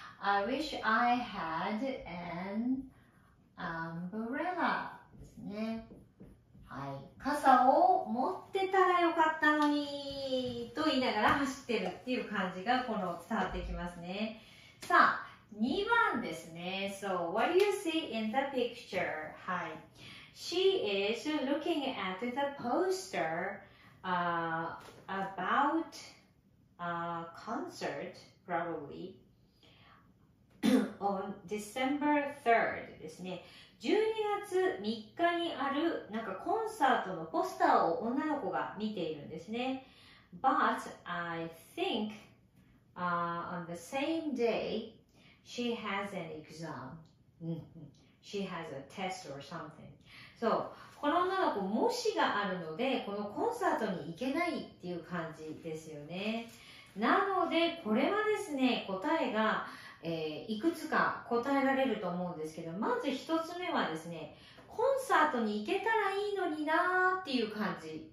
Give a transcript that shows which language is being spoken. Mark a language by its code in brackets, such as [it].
[en] I wish I had an umbrella [ja] ですね。はい、傘を持ってたらよかったのにと言いながら走ってるっていう感じがこの伝わってきますね。さあ、2番ですね。 [en] So, what do you see in the picture? [ja] はい。 [en] She is looking at the poster, about a concert, probably, on December 3rd [ja] ですね。 12月3日にある、なんかコンサートのポスターを女の子が見ているんですね。 [en] But, I think,on the same day, she has an exam. She has a test or something. [ja] So, この女の子、模試があるので、このコンサートに行けないっていう感じですよね。なので、これはですね、答えが、いくつか答えられると思うんですけど、まず一つ目はですね、コンサートに行けたらいいのになーっていう感じ。